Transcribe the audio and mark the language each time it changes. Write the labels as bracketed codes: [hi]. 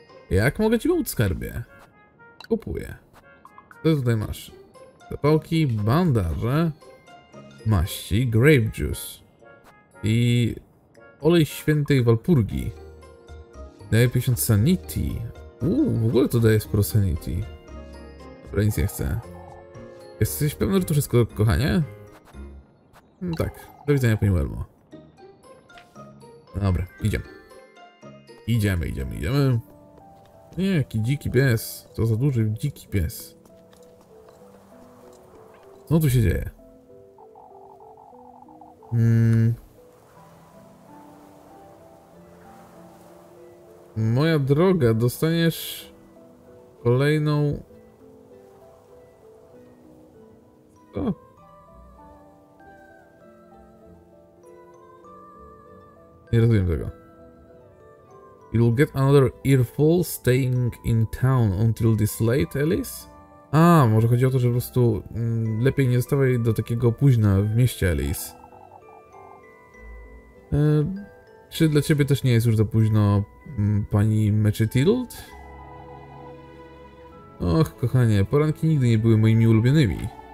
[pl] Jak mogę ci pomóc, skarbie? Kupuję. Co tutaj masz? Zapałki, bandaże, maści, grape juice i olej świętej Walpurgii. Daje 50 sanity. W ogóle to daje sporo sanity. Dobra, nic nie chcę. Jesteś pewny, że to wszystko, kochanie? No tak, do widzenia, pani Wilmo. Dobra, idziemy. Idziemy. Nie, jaki dziki pies. To za duży dziki pies. Co tu się dzieje? Moja droga, dostaniesz kolejną... O. Nie rozumiem tego. [en] You'll get another earful staying in town until this late, Elis? [pl] A, może chodzi o to, że po prostu lepiej nie zostawaj do takiego późna w mieście, Elis. Czy dla ciebie też nie jest już za późno, pani Mechitild? Och, kochanie, poranki nigdy nie były moimi ulubionymi.